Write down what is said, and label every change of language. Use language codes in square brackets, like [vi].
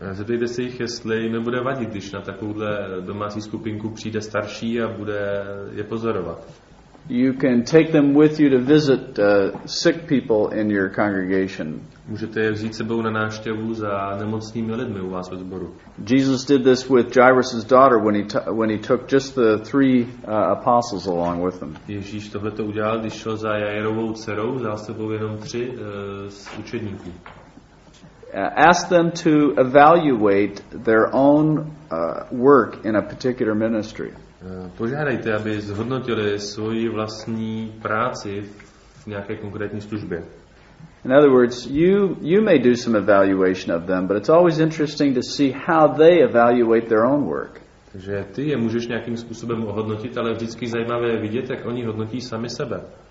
[cs] Zeptejte se jich, jestli jim bude vadit, když na takovouhle domácí skupinku přijde starší a bude je pozorovat. [en] You can take them with you to visit sick people in your congregation. [cs] Můžete je vzít sebou na návštěvu za nemocnými lidmi u vás ve sboru. [en] Jesus did this with Jairus's daughter when he took just the three apostles along with him. [cs] Ježíš tohle to udělal, když šel za Jairovou dcerou, vzal s sebou jenom tři z učedníků. [en] Ask them to evaluate their own work in a particular ministry. [cs] Požádejte, aby zhodnotili svoji vlastní práci v nějaké konkrétní službě. [en] In other words, you may do some evaluation of them, but it's always interesting to see how they evaluate their own work. [cs] Takže ty je můžeš nějakým způsobem ohodnotit, ale vždycky zajímavé je vidět, jak oni hodnotí sami sebe.